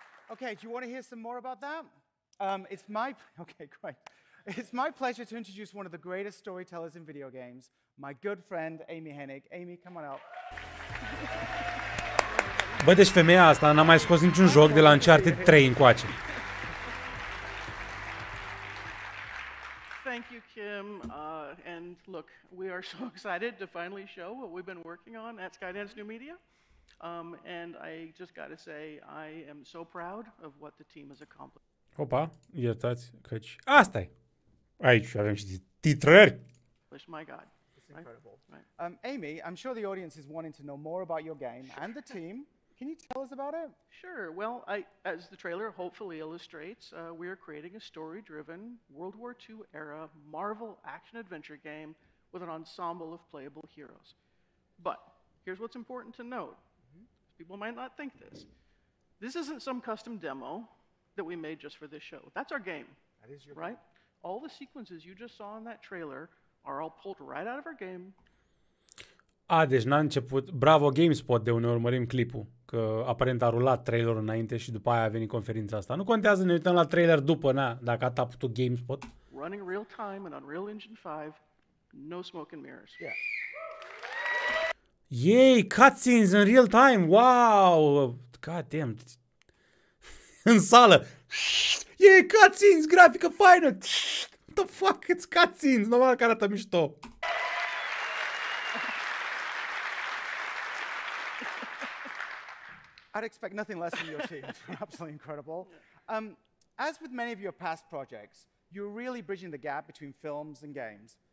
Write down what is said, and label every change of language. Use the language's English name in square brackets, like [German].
[English] Okay, do you want to hear some more about that? It's my... Okay, great. It's my pleasure to introduce one of the greatest storytellers in video games, my good friend, Amy Hennig. Amy, come on up. [Romanian] Bă, deci femeia asta n-a mai scos niciun joc de la Uncharted 3 încoace. [English] Thank you, Kim. And look, we are so excited to finally show what we've been working on at Skydance New Media. And I just gotta say, I am so proud of what the team has accomplished. [Romanian] Opa, iertați căci... Asta-i! Aici avem și titrări. [English] Oh my god. It's incredible. Amy, I'm sure the audience is wanting to know more about your game and the team. Can you tell us about it? Sure. Well, as the trailer hopefully illustrates, we are creating a story-driven World War II era Marvel action-adventure game with an ensemble of playable heroes. But here's what's important to note. People might not think this. This isn't some custom demo that we made just for this show. That's our game. That is your right? All the sequences you just saw in that trailer are all pulled right out of our game. [Romanian] A, deci n-a început. Bravo GameSpot, de unde urmărim clipul, că aparent a rulat trailerul înainte și după aia a venit conferința asta. Nu contează, ne uităm la trailer după, na, dacă a tapat tu GameSpot. [English] Running real time and Unreal Engine 5, no smoke and mirrors. Yeah. Yay, cutscenes in real time. Wow! God damn. [Romanian] În sală. E cutscenes, grafică faină! [English] What the fuck, it's cutscenes! [Romanian] Normal că arată mișto! [English] I'd expect nothing less from your team. It's absolutely incredible. As with many of your past projects, you're really bridging the gap between films and games.